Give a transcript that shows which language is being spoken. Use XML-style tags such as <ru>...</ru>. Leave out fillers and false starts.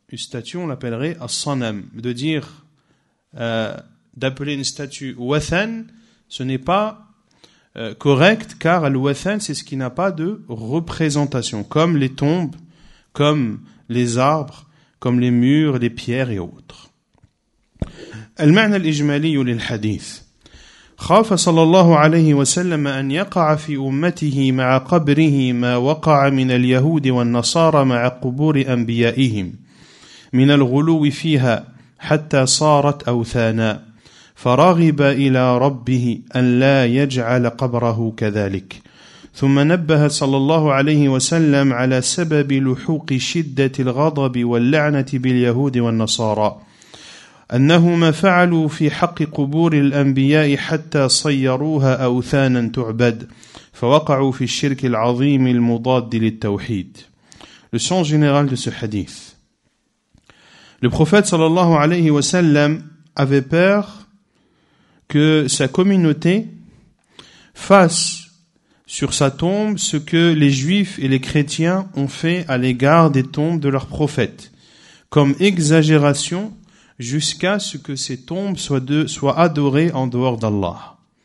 <fr>Une statue, on l'appellerait as-sanam. De dire, d'appeler une statue wathan, ce n'est pas correct, car al-wathan, c'est ce qui n'a pas de représentation, comme les tombes, comme les arbres, comme les murs, les pierres et autres.</fr> <ar>المعنى الإجمالي للحديث خاف صلى الله عليه وسلم أن يقع في أمته مع قبره ما وقع من اليهود والنصارى مع قبور أنبيائهم من الغلو فيها حتى صارت أوثانا فراغب إلى ربه أن لا يجعل قبره كذلك ثم نبه صلى الله عليه وسلم على سبب لحوق شدة الغضب واللعنة باليهود والنصارى أنهما فعلوا في حق قبور الأنبياء حتى صيروها أوثانا تعبد فوقعوا في الشرك العظيم المضاد للتوحيد.</ar> <fr>Le sens général de ce hadith. Le prophète sallallahu alayhi wa sallam avait peur que sa communauté fasse sur sa tombe ce que les juifs et les chrétiens ont fait à l'égard des tombes de leurs prophètes, comme exagération jusqu'à ce que ces tombes soient adorées en dehors d'Allah.</fr>